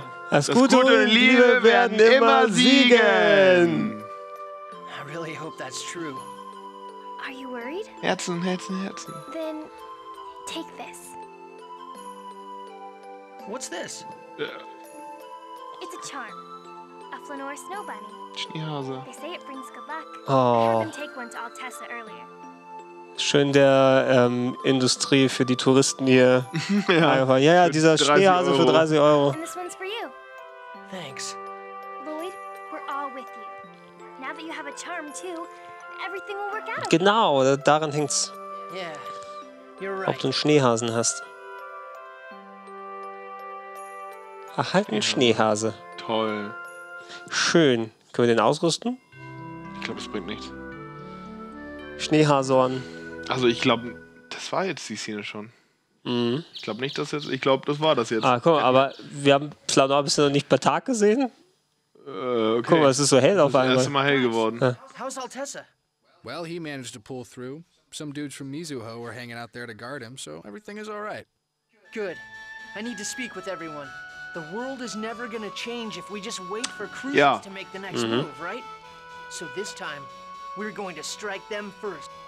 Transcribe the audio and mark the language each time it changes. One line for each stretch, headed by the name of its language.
German: Das Gute und Liebe werden immer siegen.
English: I really hope that's true. Are you worried?
German: Herzen, Herzen, Herzen.
English: Then take this. What's this? It's a charm. A Flanor snow bunny.
German: Schneehase.
English: They say it brings good luck. Oh. I had them take one to Altessa earlier.
German: Schön der Industrie für die Touristen hier. ja, dieser Schneehase für 30 Euro.
English: And this one's for you. Thanks. Lloyd, we're all with you. Now that you have a charm too, everything will work out.
German: Genau, daran hängt's.
English: Yeah, you're right.
German: Ob du einen Schneehasen hast. Erhalt einen Schneehase. Toll. Schön. Können wir den ausrüsten? Ich glaube, es bringt nichts. Schneehasorn. Also ich glaube, das war jetzt die Szene schon. Mhm. Ich glaube nicht, dass jetzt. Ich glaube, das war das jetzt. Ah, guck mal, aber wir haben Flanor bisher noch nicht per Tag gesehen. Okay. Guck mal, es ist so hell auf einmal. Erst mal hell geworden.
English: How's Altessa? Well, he managed to pull through. Some dudes from Mizuho were hanging out there to guard him, so everything is all right. Good. I need to speak with everyone. The world is never gonna change if we just wait for Cruises
German: ja.
English: to make the next mhm. move, right? So this time, we're going to strike them first.